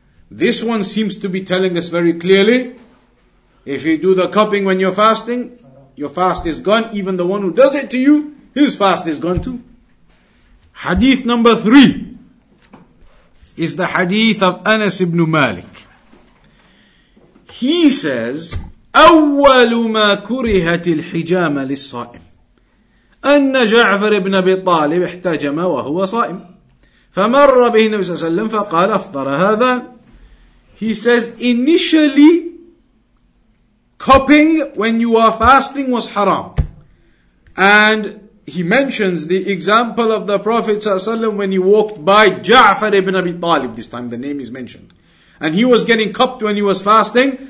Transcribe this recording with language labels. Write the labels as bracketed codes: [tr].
[en] This one seems to be telling us very clearly, if you do the cupping when you're fasting, your fast is gone. Even the one who does it to you, his fast is gone too. Hadith number three is the hadith of Anas ibn Malik. He says, [ar] أول ما كرهت الحجامة للصائم أن جعفر بن أبي طالب احتجم وهو صائم فمر به النبي صلى الله عليه وسلم فقال أفطر هذا. [en] He says, initially, cupping when you are fasting was haram. And he mentions the example of the Prophet صلى الله عليه وسلم when he walked by جعفر بن أبي طالب. This time the name is mentioned. And he was getting cupped when he was fasting.